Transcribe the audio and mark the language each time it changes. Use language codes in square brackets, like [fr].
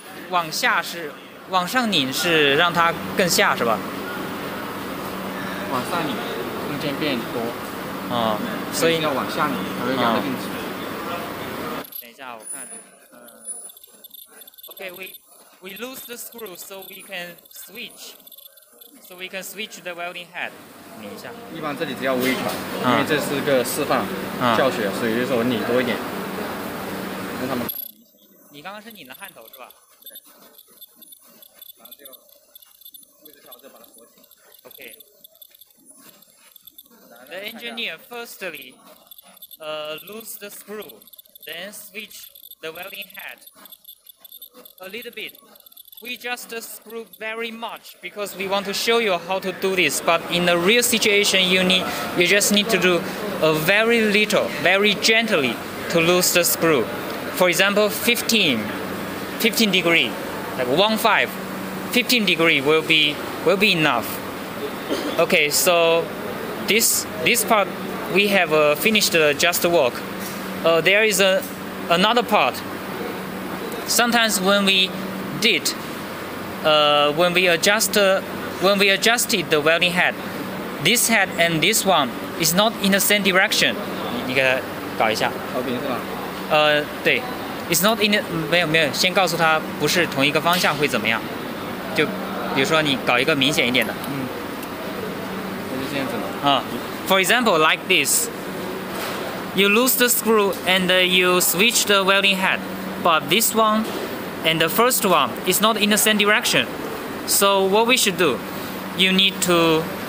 [zh] 往下是往上拧是让它更下是吧？往上拧，空间变多。哦，所以要往下拧，它会压得更紧。等一下，我看。 [en] Okay, we lose the screw so we can switch. So we can switch the welding head. [zh] 拧一下。一般这里只要微调，因为这是个示范教学，所以就是我拧多一点，让他们看得明显一点。你刚刚是拧的焊头是吧？对。然后最后位置调整，把它锁紧。 [en] Okay. The engineer firstly, lose the screw, then switch the welding head a little bit. We just screw very much because we want to show you how to do this. But in the real situation, you just need to do a very little, very gently to loose the screw. For example, 15 degree, like 1.5, 15 degree will be enough. Okay, so this part we have finished just the work. There is another part. Sometimes when we did. When we adjusted the welding head, this head and this one is not in the same direction. [zh] 你给他搞一下。调频是吧？对 ， [en] it's not in [zh] 没有没有，先告诉他不是同一个方向会怎么样？就比如说你搞一个明显一点的。嗯。那就这样子了。 [en] For example, like this, you lose the screw and you switch the welding head, but this one. And the first one is not in the same direction. So what we should do? You need to...